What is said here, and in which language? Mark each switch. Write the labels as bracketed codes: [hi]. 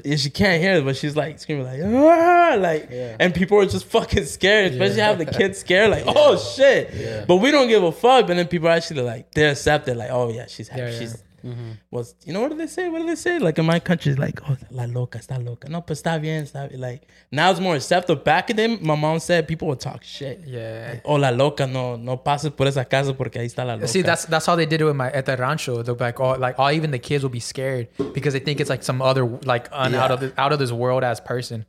[en] Yeah, she can't hear it, but she's like screaming like, ah! And people are just fucking scared, especially have the kids scared, like, oh shit. Yeah. But we don't give a fuck. And then people actually like, they accept it, like, oh yeah, she's happy. Yeah, yeah. Mm-hmm. Was, you know, what do they say like in my country, like, oh, [es] la loca, está loca, no, pues está bien, [en] está bien. Like, now it's more acceptable. Back in the day, my mom said people would talk shit, yeah, like, oh, [es] la loca, no pases por esa casa porque ahí está la loca. [en] See, that's how they did it with my at the rancho. They'll be like, oh, like, oh, even the kids will be scared because they think it's like some other, like, out of this world as person.